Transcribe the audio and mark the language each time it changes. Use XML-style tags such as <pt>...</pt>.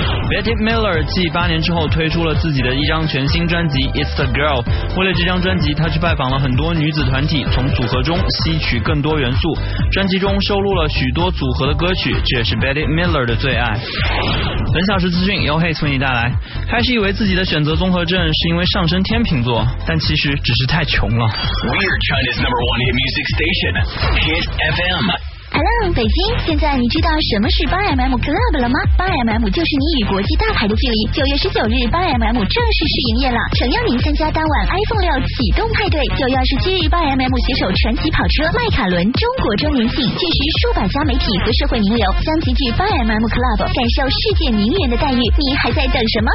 <zh>Betty Miller 继8年之后推出了自己的一张全新专辑 It's the Girl， 为了这张专辑她去拜访了很多女子团体，从组合中吸取更多元素，专辑中收录了许多组合的歌曲，这也是 Betty Miller 的最爱。本小时资讯由 Hates 为你带来。开始以为自己的选择综合症是因为上升天秤座，但其实只是太穷了。</zh> <en>We're China's number one hit music station Hit FM。</en> <zh>Hello， 北京，现在你知道什么是 8MM Club 了吗？ 8MM 就是你与国际大牌的距离。 9月19日 8MM 正式试营业了，诚邀您参加当晚 iPhone 6启动派对。 9月27日 8MM 携手传奇跑车迈凯伦中国周年庆，届时数百家媒体和社会名流将集聚 8MM Club， 感受世界名媛的待遇。你还在等什么？</zh>